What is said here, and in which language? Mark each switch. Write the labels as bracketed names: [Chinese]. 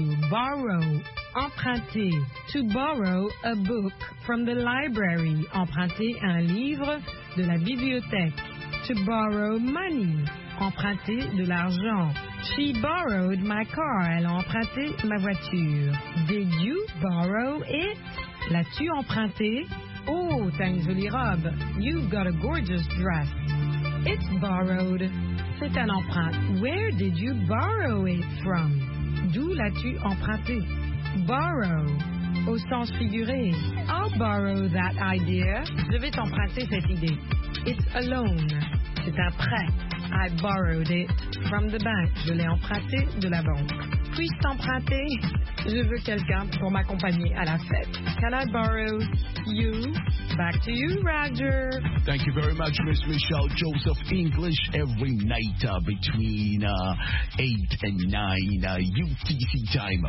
[English] Borrow. Emprunter. To borrow a book from the library. [French] Emprunter un livre de la bibliothèque. [English] To borrow money. [French] Emprunter de l'argent. [English] She borrowed my car. [French] Elle a emprunté ma voiture. [English] Did you borrow it? [French] L'as-tu emprunté? Oh, t'as une jolie robe. [English] You've got a gorgeous dress. It's borrowed. [French] C'est un emprunt. [English] Where did you borrow it from? [French] D'où l'as-tu emprunté? Borrow. Au sens figuré. [English] I'll borrow that idea. [French] Je vais t'emprunter cette idée. [English] It's a loan. [French] C'est un prêt. [English] I borrowed it from the bank. [French] Je l'ai emprunté de la banque. Puis-je t'emprunter? Je veux quelqu'un pour m'accompagner à la fête. [English] Can I borrow you? Back to you, Roger. Thank you very much, Miss Michelle Joseph. English every night between 8 and 9 UTC time.